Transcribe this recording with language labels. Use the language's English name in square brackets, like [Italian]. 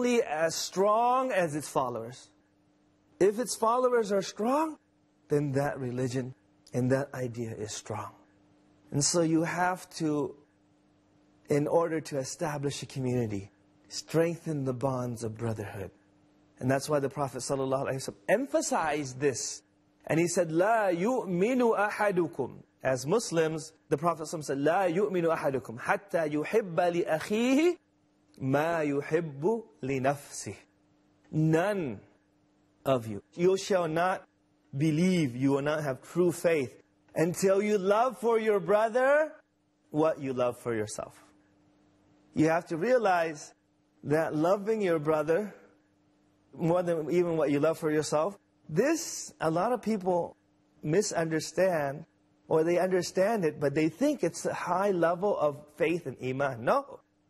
[English] only as strong as its followers. If its followers are strong, then that religion and that idea is strong. And so you have to, in order to establish a community, strengthen the bonds of brotherhood. And that's why the Prophet ﷺ emphasized this. And he said, [Arabic] لا يؤمن أحدكم. [English] As Muslims, the Prophet ﷺ said, [Arabic] لا يؤمن أحدكم حتى يحب لأخيه ما يحب لنفسه. [English] None of you. You shall not believe, you will not have true faith until you love for your brother what you love for yourself. You have to realize that loving your brother more than even what you love for yourself, this a lot of people misunderstand, or they understand it, but they think it's a high level of faith and iman. No.